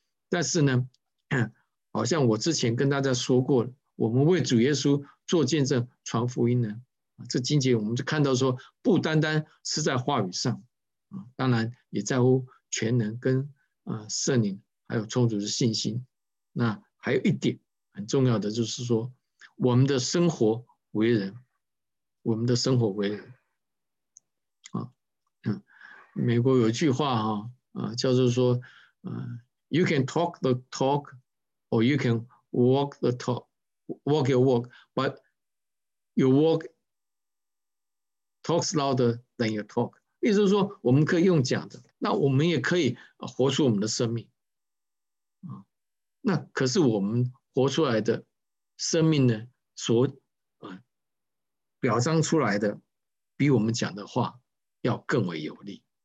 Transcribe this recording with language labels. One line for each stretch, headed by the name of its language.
Chinese: 但是呢，好像我之前跟大家说过，我们为主耶稣做见证传福音呢，这经节我们就看到说不单单是在话语上，当然也在乎全能跟圣灵还有充足的信心。那还有一点很重要的就是说我们的生活为人，我们的生活为人。美国有一句话叫做说
English: You can talk the talk or you can walk the talk, walk your walk, but your walk talks louder than your talk.
Chinese: 意思是说我们可以用讲的，那我们也可以活出我们的生命。那可是我们活出来的生命呢，所表彰出来的比我们讲的话要更为有力。